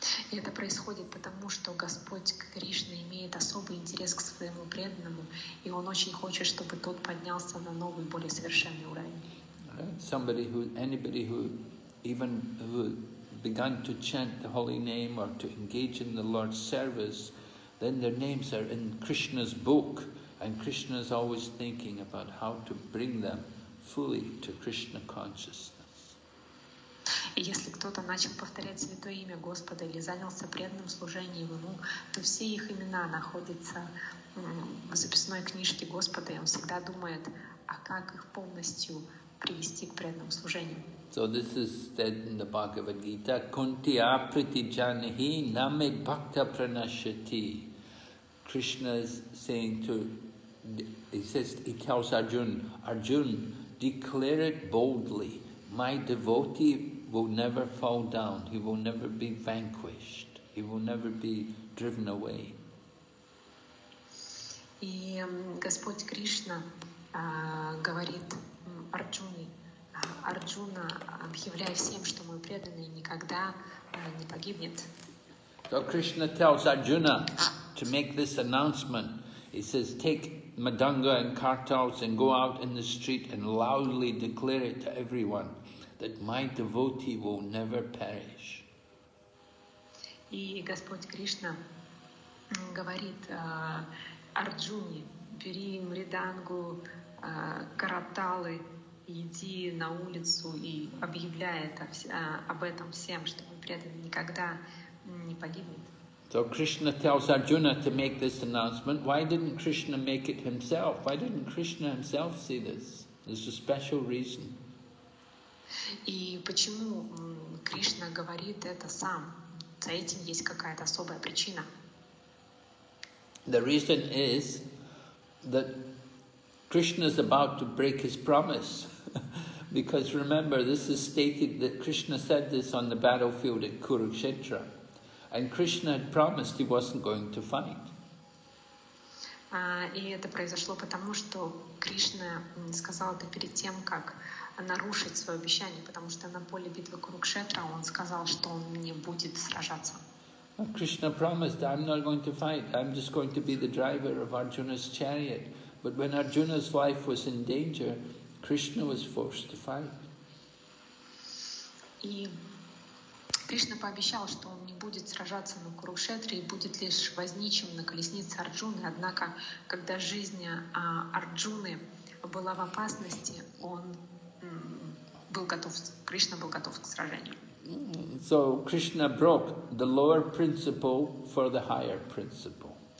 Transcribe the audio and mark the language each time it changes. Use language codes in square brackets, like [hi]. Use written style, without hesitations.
[ru] И это происходит потому, что Господь Кришна имеет особый интерес к своему преданному, и он очень хочет, чтобы тот поднялся на новый, более совершенный уровень. [en] Somebody who, anybody who even who began to chant the holy name or to engage in the Lord's service, then their names are in Krishna's book, and Krishna is always thinking about how to bring them fully to Krishna consciousness. [ru] И если кто-то начал повторять святое имя Господа или занялся преданным служением ему, то все их имена находятся в записной книжке Господа, и он всегда думает, а как их полностью привести к преданному служению. [en] So this is said in the Bhagavad Gita, [sa] Kunti apriti janahi name bhakta pranashati. [en] Krishna is saying to, he tells Arjun, declare it boldly, my devotee will never fall down, he will never be vanquished, he will never be driven away. [ru] И Господь Кришна говорит Арджуне, Арджуна, объявляй всем, что мой преданный никогда не погибнет. [en] So Krishna tells Arjuna to make this announcement. He says, take Madanga and Kartals and go out in the street and loudly declare it to everyone. That my devotee will never perish. [ru] И Господь Кришна говорит Арджуне, бери мридангу, караталы, иди на улицу и объявляй это, об этом всем, чтобы преданный никогда не погибнет. [en] So Krishna tells Arjuna to make this announcement. Why didn't Krishna make it himself? Why didn't Krishna himself see this? There's a special reason. [ru] И почему Кришна говорит это сам? За этим есть какая-то особая причина. [en] The reason is that Krishna is about to break his promise. Because remember, this is stated that Krishna said this on the battlefield at Kurukshetra. And Krishna had promised he wasn't going to fight. [ru] И это произошло потому, что Кришна сказал это перед тем, как нарушить свое обещание, потому что на поле битвы Курукшетра он сказал, что он не будет сражаться. [en] Krishna promised, I'm not going to fight, I'm just going to be the driver of Arjuna's chariot. But when Arjuna's life was in danger, Krishna was forced to fight. [ru] И Кришна пообещал, что он не будет сражаться на Курукшетре и будет лишь возничим на колеснице Арджуны. Однако, когда жизнь Арджуны была в опасности, он был готов, Кришна был готов к сражению. [en] So Krishna broke the lower principle for the higher principle.